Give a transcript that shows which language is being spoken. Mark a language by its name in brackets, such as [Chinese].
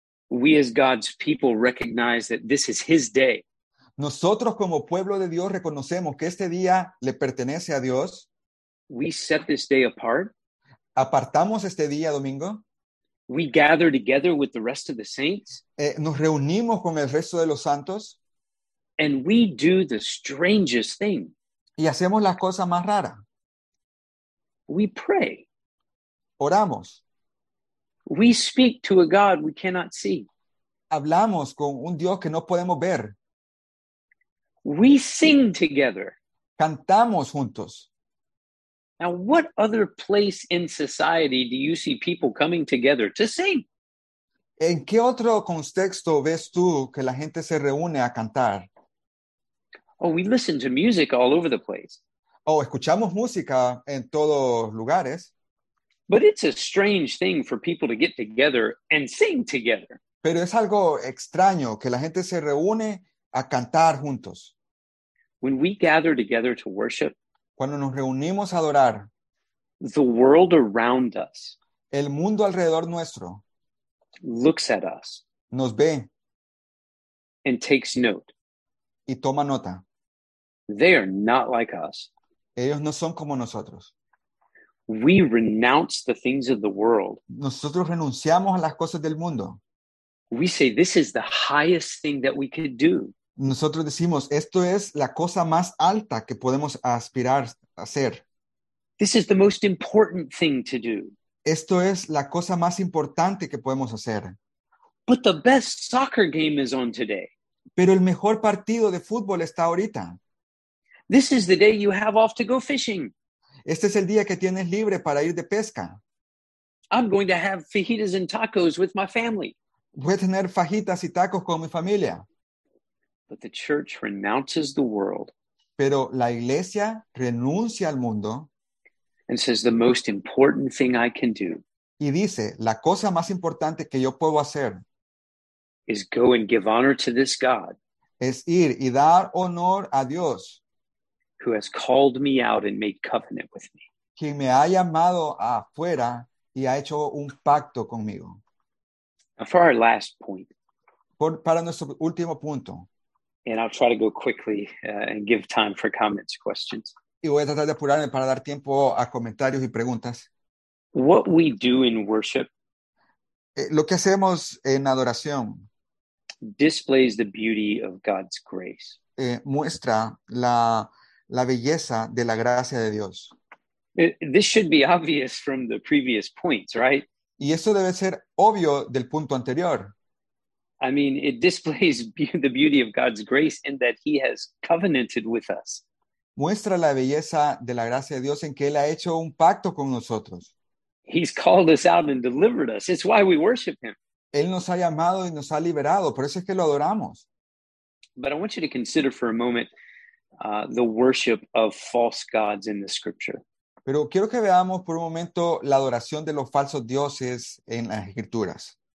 [English] We as God's people recognize that this is his day. [Spanish] Nosotros como pueblo de Dios reconocemos que este día le pertenece a Dios. [English] We set this day apart. [Spanish] Apartamos este día domingo. [English] We gather together with the rest of the saints. [Spanish] Nos reunimos con el resto de los santos. [English] And we do the strangest thing. [Spanish] Y hacemos la cosa más rara. [English] We pray. [Spanish] Oramos. [English] We speak to a God we cannot see. [Spanish] Hablamos con un Dios que no podemos ver. [English] We sing together. [Spanish] Cantamos juntos. [English] Now, what other place in society do you see people coming together to sing? [Spanish] ¿En qué otro contexto ves tú que la gente se reúne a cantar? [English] Oh, we listen to music all over the place. [Spanish] Oh, escuchamos música en todos lugares. [English] But it's a strange thing for people to get together and sing together. [Spanish] Pero es algo extraño que la gente se reúne a cantar juntos. [English] When we gather together to worship, [Spanish] cuando nos reunimos a adorar, [English] the world around us, [Spanish] el mundo alrededor nuestro, [English] looks at us, [Spanish] nos ve, [English] and takes note, [Spanish] y toma nota. [English] They are not like us. [Spanish] Ellos no son como nosotros. [English] We renounce the things of the world. [Spanish] Nosotros renunciamos a las cosas del mundo. [English] We say this is the highest thing that we could do. [Spanish] Nosotros decimos, esto es la cosa más alta que podemos aspirar a hacer. [English] This is the most important thing to do. [Spanish] Esto es la cosa más importante que podemos hacer. [English] But the best soccer game is on today. [Spanish] Pero el mejor partido de fútbol está ahorita. [English] This is the day you have off to go fishing. [Spanish] Este es el día que tienes libre para ir de pesca. [English] I'm going to have fajitas and tacos with my family. [Spanish] Voy a tener fajitas y tacos con mi familia. [English] But the church renounces the world. [Spanish] Pero la iglesia renuncia al mundo. [English] And says the most important thing I can do. [Spanish] Y dice, la cosa más importante que yo puedo hacer. [English] Is go and give honor to this God. [Spanish] Es ir y dar honor a Dios. [English] Who has called me out and made covenant with me. [Spanish] Quien me ha llamado afuera y ha hecho un pacto conmigo. [English] Now for our last point. [Spanish] Para nuestro último punto. [English] And I'll try to go quickly and give time for comments, questions. [Spanish] Y voy a tratar de apurarme para dar tiempo a comentarios y preguntas. [English] What we do in worship. [Spanish] Lo que hacemos en adoración. [English] Displays the beauty of God's grace. [Spanish] Muestra la belleza de la gracia de Dios. [English] This should be obvious from the previous points, right? [Spanish] Y eso debe ser obvio del punto anterior. [English] I mean, it displays the beauty of God's grace in that he has covenanted with us. [Spanish] Muestra la belleza de la gracia de Dios en que él ha hecho un pacto con nosotros. [English] He's called us out and delivered us. It's why we worship him. [Spanish] Él nos ha llamado y nos ha liberado. Por eso es que lo adoramos. [English] But I want you to consider for a moment the worship of false gods in the scripture. [Spanish] Pero quiero que veamos por un momento la adoración de los falsos dioses en las escrituras.